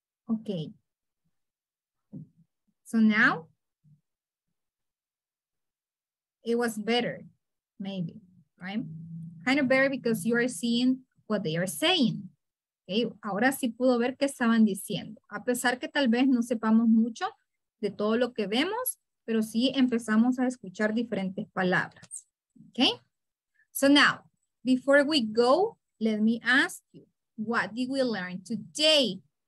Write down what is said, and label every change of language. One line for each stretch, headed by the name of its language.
English: Okay. So now? It was better, maybe, right? Kind of better because you are seeing what they are saying.
Spanish: Okay, ahora sí pudo ver qué estaban diciendo. A pesar que tal vez no sepamos mucho de todo lo que vemos, pero sí empezamos a escuchar diferentes palabras.
English: Okay? So now, before we go, let me ask you, what did we learn today?